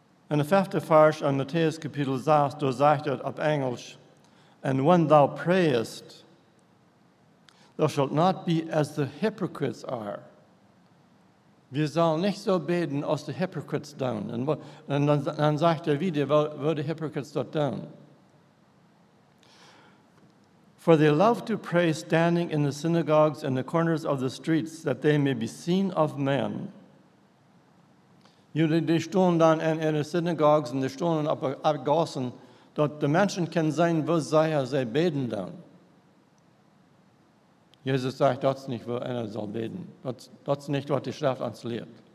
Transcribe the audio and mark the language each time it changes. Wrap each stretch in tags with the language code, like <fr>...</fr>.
<de>In der fünfte Vers, in Matthäus Kapitel 6, du sagst es auf Englisch,</de> <en>and when thou prayest, thou shalt not be as the hypocrites are.</en> <de>Wir sollen nicht so beten, als die Hypocrites tun. Und dann sagt er wieder, wo die Hypocrites dort tun.</de> <en>For they love to pray standing in the synagogues and the corners of the streets, that they may be seen of men.</en> <de>Die stehen dann in den Synagogues und die stehen auf Gassen, dort die Menschen können sein, wo sie beten tun. Jesus sagt, dort ist nicht, wo einer soll beten. Dort ist nicht, was die Schrift uns lehrt.</de>